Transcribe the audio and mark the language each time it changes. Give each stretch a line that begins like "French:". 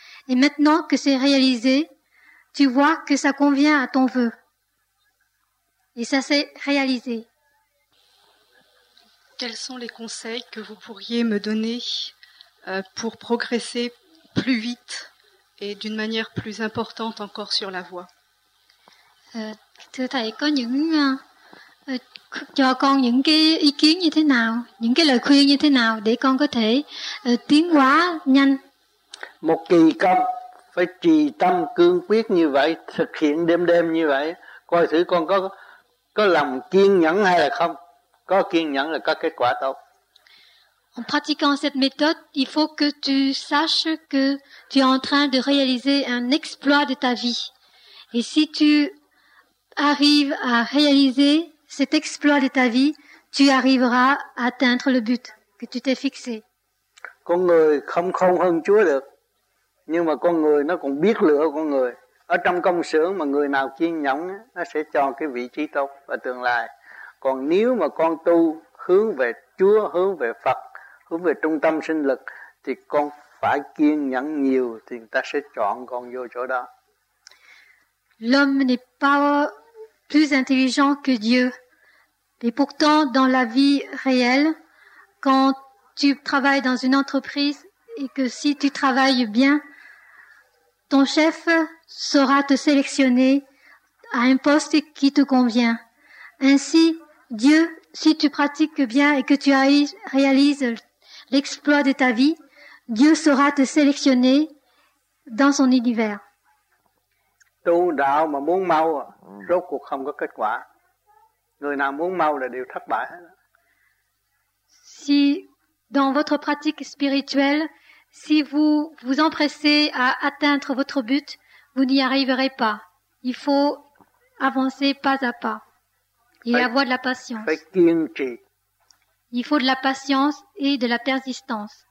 French: Et maintenant que c'est réalisé, tu vois que ça convient à ton vœu. Et ça s'est réalisé. Quels sont les conseils que vous pourriez me donner pour progresser plus vite et d'une manière plus importante encore sur la voie?
Vietnamese: Thưa thầy, có những cho con những cái ý kiến như thế nào, những cái lời khuyên như thế nào để con có thể tiến hóa nhanh? Một kỳ công phải trì tâm cương quyết như vậy, thực hiện đêm đêm như vậy, coi thử con có lòng kiên nhẫn hay là không. Có kiên nhẫn là có kết quả tốt. En pratiquant cette méthode, il faut que tu saches que tu es en train de réaliser un exploit de ta vie. Et si tu arrives à réaliser cet exploit de ta vie, tu arriveras à atteindre le but que tu t'es fixé. Con người không khôn hơn Chúa được. Nhưng mà con người nó còn biết lựa con người. Ở trong công xưởng mà người nào kiên nhẫn, nó sẽ cho cái vị trí tốt và tương lai. Còn nếu mà con tu hướng về Chúa, hướng về Phật, hướng về trung tâm sinh lực, thì con phải kiên nhẫn nhiều, thì người ta sẽ chọn con vô chỗ đó.
French: L'homme n'est pas plus intelligent que Dieu. Et pourtant, dans la vie réelle, quand tu travailles dans une entreprise, et que si tu travailles bien, ton chef saura te sélectionner à un poste qui te convient. Ainsi, Dieu, si tu pratiques bien et que tu réalises l'exploit de ta vie, Dieu saura te sélectionner dans son univers.
Vietnamese: Tu đạo mà muốn mau, rốt cuộc không có kết quả. Người nào muốn mau là đều thất bại.
French: Si dans votre pratique spirituelle, si vous vous empressez à atteindre votre but, vous n'y arriverez pas. Il faut avancer pas à pas. Et avoir de la patience. Il faut de la patience et de la persistance.